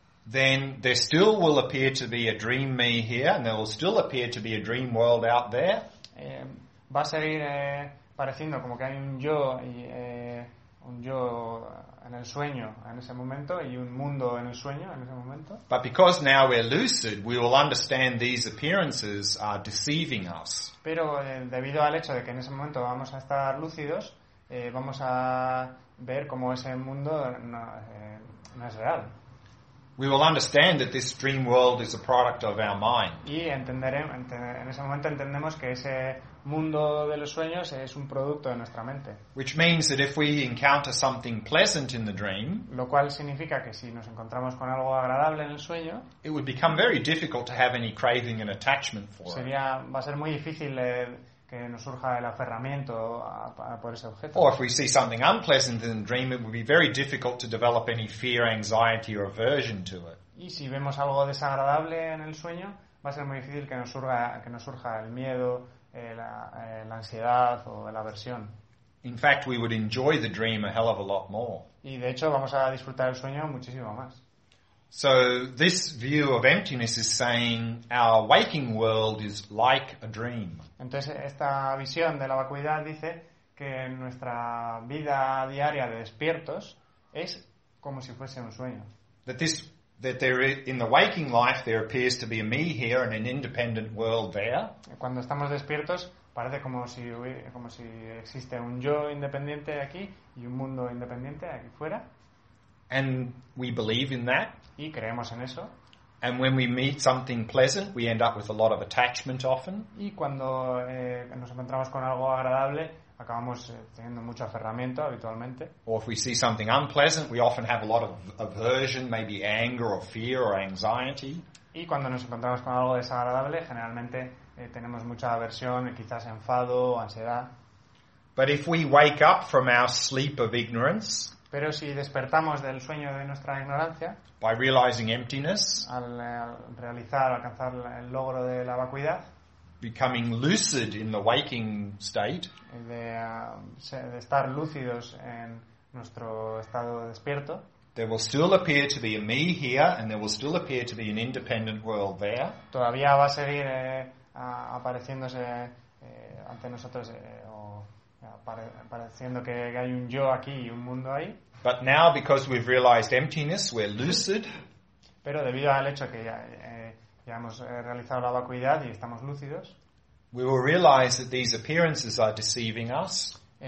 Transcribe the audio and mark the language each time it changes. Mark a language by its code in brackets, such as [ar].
[en] then there still will appear to be a dream me here, and there will still appear to be a dream world out there. [es] Va a seguir pareciendo como que hay un yo y un yo en el sueño en ese momento y un mundo en el sueño en ese momento. [en] But because now we're lucid, we will understand these appearances are deceiving us. [es] Pero debido al hecho de que en ese momento vamos a estar lúcidos, vamos a ver cómo ese mundo no es real. [en] We will understand that this dream world is a product of our mind. [es] Y en ese momento entendemos que ese mundo de los sueños es un producto de nuestra mente. [en] Which means that if we encounter something pleasant in the dream, [es] lo cual significa que si nos encontramos con algo agradable en el sueño, [en] it would become very difficult to have any craving and attachment for it. [es] Sería, va a ser muy difícil que nos surja el aferramiento por ese objeto. [en] Or if we see something unpleasant in the dream, it would be very difficult to develop any fear, anxiety, or aversion to it. [es] Y si vemos algo desagradable en el sueño, va a ser muy difícil que nos surja el miedo, la ansiedad o la aversión. [en] In fact, we would enjoy the dream a hell of a lot more. [es] Y de hecho, vamos a disfrutar el sueño muchísimo más. [en] So this view of emptiness is saying our waking world is like a dream. [es] Entonces esta visión de la vacuidad dice que nuestra vida diaria de despiertos es como si fuese un sueño. [en] In the waking life there appears to be a me here and an independent world there. [es] Cuando estamos despiertos parece como si existe un yo independiente aquí y un mundo independiente aquí fuera. [en] And we believe in that. [es] Y creemos en eso. [en] And when we meet something pleasant, we end up with a lot of attachment often. [es] Y cuando nos encontramos con algo agradable, acabamos teniendo mucho aferramiento habitualmente. [en] Or if we see something unpleasant, we often have a lot of aversion, maybe anger or fear or anxiety. [es] Y cuando nos encontramos con algo desagradable, generalmente tenemos mucha aversión, quizás enfado o ansiedad. [en] But if we wake up from our sleep of ignorance, [es] pero si despertamos del sueño de nuestra ignorancia, [en] by realizing emptiness, [es] al alcanzar el logro de la vacuidad, [en] becoming lucid in the waking state, [es] de estar lúcidos en nuestro estado despierto, [en] there will still appear to be a me here and there will still appear to be an independent world there. [es] Todavía va a seguir apareciéndose ante nosotros o pareciendo que hay un yo aquí y un mundo ahí. [en] But now, because we've realized emptiness, we're lucid. [es] Pero debido al hecho que ya, ya hemos realizado la vacuidad y estamos lúcidos, [en] we will realize that these appearances are deceiving us.